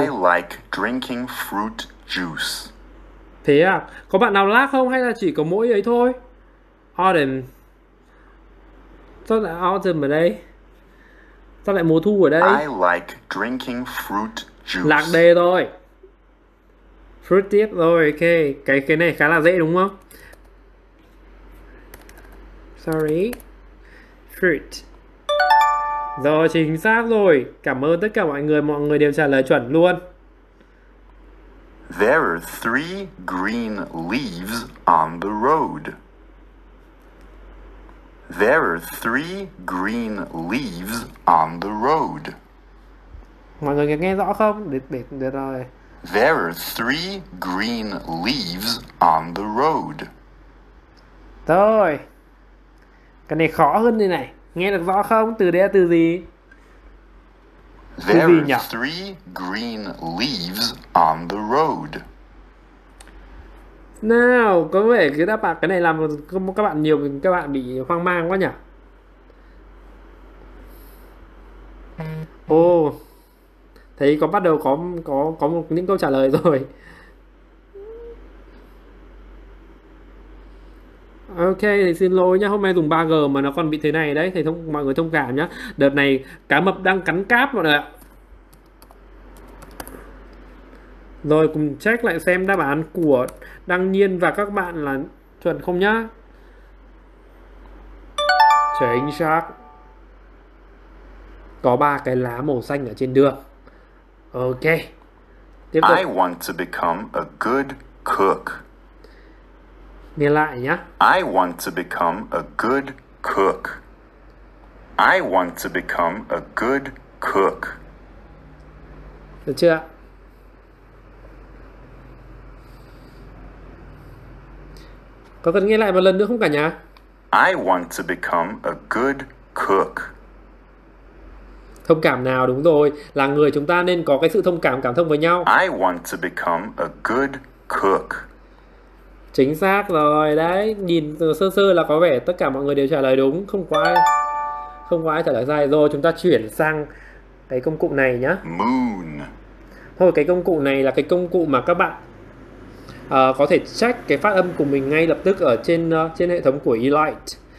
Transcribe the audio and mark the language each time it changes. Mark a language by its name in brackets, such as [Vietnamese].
[English] I like drinking fruit juice. [Vietnamese] Thế à, có bạn nào lag không hay là chỉ có mỗi ấy thôi? Autumn. Sao lại autumn ở đây? Sao lại mùa thu ở đây? [English] I like drinking fruit [Vietnamese] Lạc [English] juice. [Vietnamese] đề rồi. Fruit tiếp rồi, ok. Cái này khá là dễ đúng không? Sorry. Fruit. Rồi, chính xác rồi. Cảm ơn tất cả mọi người đều trả lời chuẩn luôn. [English] There are three green leaves on the road. There are three green leaves on the road. [Vietnamese] Mọi người nghe rõ không? Để rồi. [English] There are three green leaves on the road. [Vietnamese] Rồi. Cái này khó hơn đây này. Nghe được rõ không? Từ đây là từ gì? [English] There are three green leaves on the road. [Vietnamese] Nào, có vẻ cái đáp án cái này làm các bạn nhiều các bạn bị hoang mang quá nhỉ? Ồ. Thấy có bắt đầu có một những câu trả lời rồi. Ok, thầy xin lỗi nhá, hôm nay dùng 3G mà nó còn bị thế này đấy, thầy thông mọi người thông cảm nhá. Đợt này cá mập đang cắn cáp mọi người ạ. Rồi cùng check lại xem đáp án của Đăng Nhiên và các bạn là chuẩn không nhá. Chính xác. Có ba cái lá màu xanh ở trên đường. Ok. Tiếp [English] I [Vietnamese] tục. [English] want to become a good cook. [Vietnamese] Nghe lại nhá. [English] I want to become a good cook. I want to become a good cook. [Vietnamese] Được chưa? Có cần nghe lại một lần nữa không cả nhà? [English] I want to become a good cook. [Vietnamese] Thông cảm nào, đúng rồi, là người chúng ta nên có cái sự thông cảm, cảm thông với nhau. [English] I want to become a good cook. [Vietnamese] Chính xác rồi đấy, nhìn sơ sơ là có vẻ tất cả mọi người đều trả lời đúng, không có ai trả lời sai. Rồi chúng ta chuyển sang cái công cụ này nhá. [English] Moon. [Vietnamese] Thôi, cái công cụ này là cái công cụ mà các bạn có thể check cái phát âm của mình ngay lập tức ở trên trên hệ thống của Elite.